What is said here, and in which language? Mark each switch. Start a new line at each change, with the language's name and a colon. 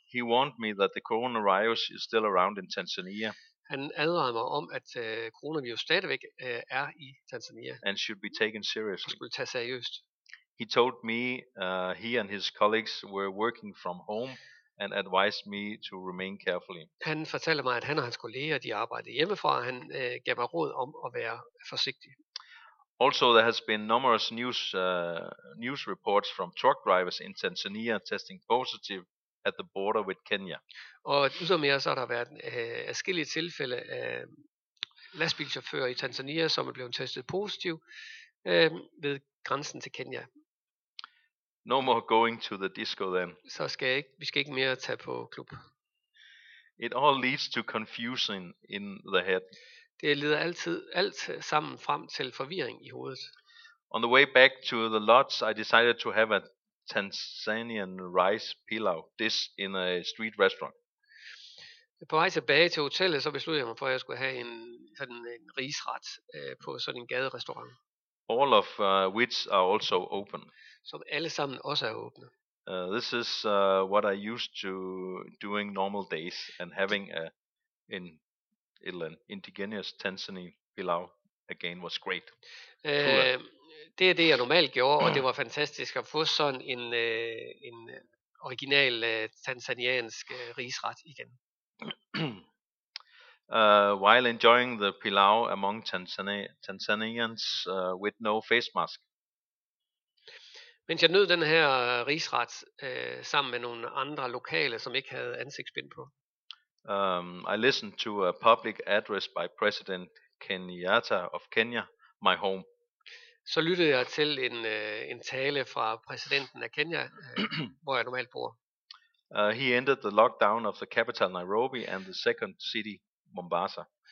English: He warned me that the coronavirus is still around in Tanzania.
Danish: Han advarede mig om, at coronavirus stadigvæk er i Tanzania.
English: And should be taken seriously.
Danish: Og skulle tage seriøst.
English: He told me he and his colleagues were working from home and advised me to remain carefully.
Danish: Han fortalte mig, at han og hans kolleger, de arbejdede hjemmefra, og han gav mig råd om at være forsigtig.
English: Also, there has been numerous news reports from truck drivers in Tanzania testing positive at the border with Kenya.
Danish: Og udover så har der været forskellige tilfælde af lastbilchauffører i Tanzania, som er blevet testet positiv ved grænsen til Kenya.
English: No more going to the disco then.
Danish: Så skal jeg ikke, vi skal ikke mere tage på klub.
English: It all leads to confusion in the head.
Danish: Det leder altid alt sammen frem til forvirring i hovedet.
English: On the way back to the lodge, I decided to have a Tanzanian rice pilau dish in a street restaurant.
Danish: På vej tilbage til hotellet, så besluttede jeg mig for, at jeg skulle have en risret på sådan en gaderestaurant.
English: All of which are also open.
Danish: Som alle sammen også er åbne.
English: This is what I used to doing normal days and having an indigenous Tanzanian pilau again was great.
Danish: Det er det jeg normalt gjorde, og det var fantastisk at få sådan en original tanzaniansk risret igen.
English: While enjoying the pilau among Tanzanians with no face mask.
Danish: Mens jeg nød den her risret sammen med nogle andre lokale, som ikke havde ansigtsbind på.
English: I listened to a public address by President Kenyatta of Kenya, my home.
Danish: Så lyttede jeg til en tale fra præsidenten af Kenya, hvor jeg normalt bor.
English: He ended the lockdown of the capital Nairobi and the second city Mombasa.